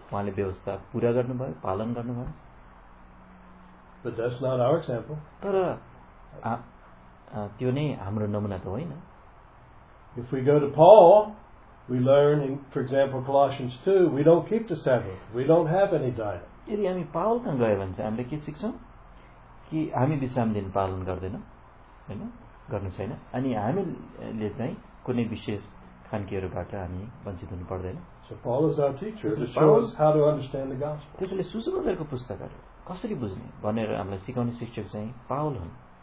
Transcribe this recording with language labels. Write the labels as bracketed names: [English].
[Nepali] उहाँले व्यवस्था पूरा गर्नुभयो पालन गर्नुभयो [English] But that's not our example. [Nepali] तर त्यो नै हाम्रो नमुना त होइन [English] If we go to Paul, we learn, in, for example, Colossians 2, we don't keep the Sabbath. We don't have any diet. [Nepali] यदि हामी पावल कहाँ गयो भने चाहिँ हामीले के सिक्छौँ कि हामी विश्राम दिन पालन गर्दैनौँ होइन गर्नु छैन अनि हामीले चाहिँ कुनै विशेष खानकीहरूबाट हामी वञ्चित हुनु पर्दैन [English] So Paul is our teacher to show us how to understand the gospel. [Nepali] त्यसैले सुसमाचारको पुस्तकहरु कसरी बुझ्ने भनेर हामीलाई सिकाउने शिक्षक चाहिँ पावल हुन्.